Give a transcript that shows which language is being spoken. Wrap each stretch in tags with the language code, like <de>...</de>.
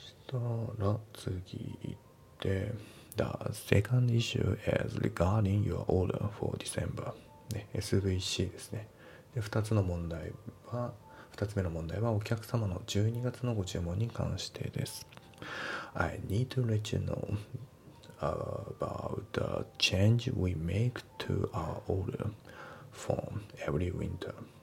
<ja>次行って、</ja> <en>The second issue is regarding your order for December.</en> <ja>ね、SVC ですね。で、二つ目の問題は、お客様の12月のご注文に関してです。</ja> <en>I need to let you know about the change we make to our order form every winter.</en>